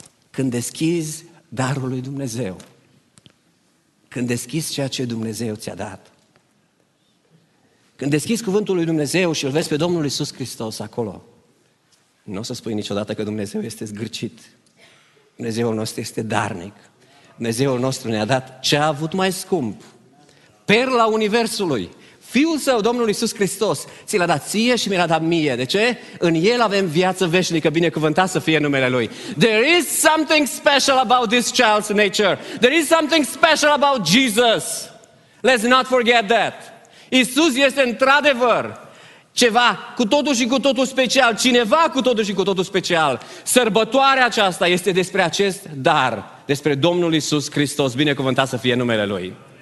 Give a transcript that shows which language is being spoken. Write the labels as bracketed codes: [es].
[ro] Când deschizi darul lui Dumnezeu, când deschizi ceea ce Dumnezeu ți-a dat, când deschizi cuvântul lui Dumnezeu și îl vezi pe Domnul Iisus Hristos acolo, nu o să spui niciodată că Dumnezeu este zgârcit. Dumnezeul nostru este darnic. Dumnezeul nostru ne-a dat ce a avut mai scump. Perla Universului, Fiul Său, Domnul Iisus Hristos, ți l-a dat ție și mi l-a dat mie. De ce? În El avem viață veșnică, binecuvântat să fie numele Lui. [en] There is something special about this child's nature. There is something special about Jesus. Let's not forget that. [ro] Iisus este într-adevăr ceva cu totul și cu totul special, cineva cu totul și cu totul special. Sărbătoarea aceasta este despre acest dar, despre Domnul Iisus Hristos, binecuvântat să fie numele Lui.